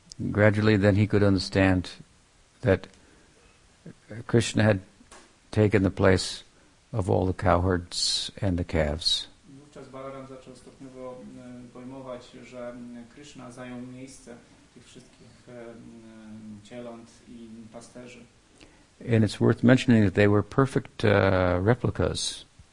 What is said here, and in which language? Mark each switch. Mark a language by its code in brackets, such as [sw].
[en] Gradually then he could understand that Krishna had taken the place of all the cowherds and the calves. [pl] Wówczas Balaram zaczął stopniowo pojmować, że Krishna zajął miejsce tych wszystkich cieląt I pasterzy. [en] And it's worth mentioning that they were perfect replicas.